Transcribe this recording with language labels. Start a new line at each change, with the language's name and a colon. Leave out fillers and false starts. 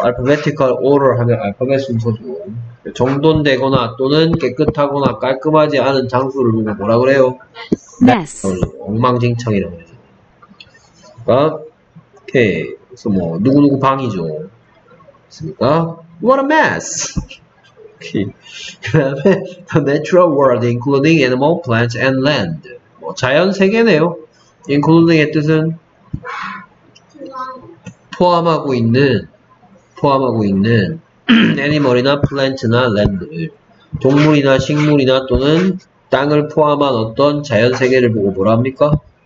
Korean: Alphabetical order 하면 알파벳 순서죠. 정돈되거나 또는 깨끗하거나 깔끔하지 않은 장소를 누가 뭐라 그래요?
English: Mess.
Korean: 엉망진창이라고 해요. 그러니까, 오케이. 그래서 뭐 누구누구 방이죠. 있습니까?
English: What a mess. 오케이. The natural world including animal, plants and land.
Korean: 뭐 자연 세계네요. Including의 뜻은 포함하고 있는 애니멀이나 플랜트나 랜드를 동물이나 식물이나 또는 땅을 포함한 어떤 자연 세계를 보고 뭐라 합니까?